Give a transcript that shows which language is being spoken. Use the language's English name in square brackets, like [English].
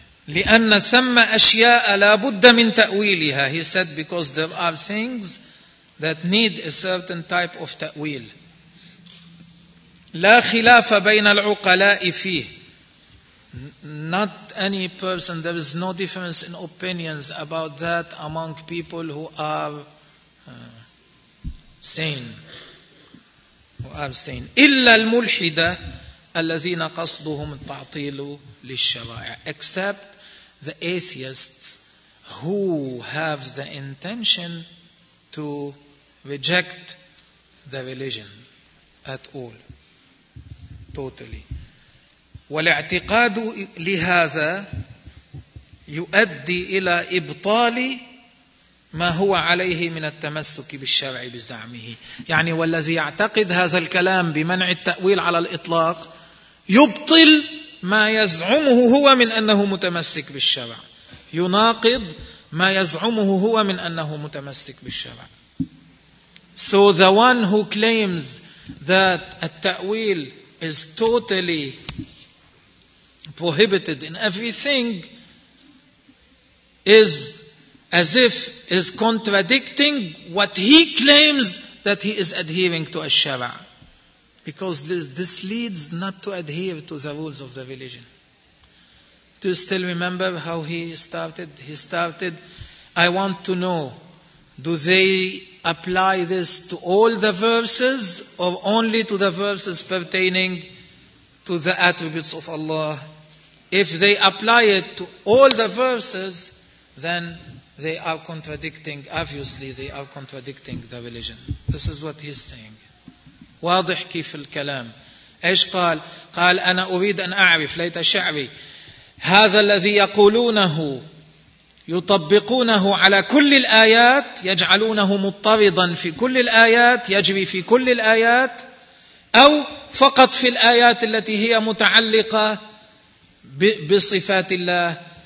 [Arabic] لأن ثم أشياء لا بد من تأويلها. [English] He said, because there are things that need a certain type of تأويل. [Arabic] لا خلاف بين العقلاء فيه. [English] Not any person, there is no difference in opinions about that among people who are sane. [Arabic] إلا الملحدة الذين قصدهم التعطيل للشرائع. [English] Except the atheists who have the intention to reject the religion at all. Totally. [Arabic] والاعتقاد لهذا يؤدي إلى إبطال ما هو عليه من التمسك بالشرع بزعمه. يعني والذي يعتقد هذا الكلام بمنع التأويل على الإطلاق يبطل ما يزعمه هو من أنه متمسك بالشرع. يناقض ما يزعمه هو من أنه متمسك بالشرع. [English] So the one who claims that التأويل is totally prohibited in everything is as if is contradicting what he claims that he is adhering to الشرع. Because this leads not to adhere to the rules of the religion. Do you still remember how he started? He started, I want to know, do they apply this to all the verses or only to the verses pertaining to the attributes of Allah? If they apply it to all the verses, then they are contradicting the religion. This is what he's saying. [Arabic] واضح كيف الكلام. إيش قال؟ قال أنا أريد أن أعرف ليت شعري هذا الذي يقولونه يطبقونه على كل الآيات يجعلونه مضطردا في كل الآيات يجري في كل الآيات أو فقط في الآيات التي هي متعلقة بصفات الله.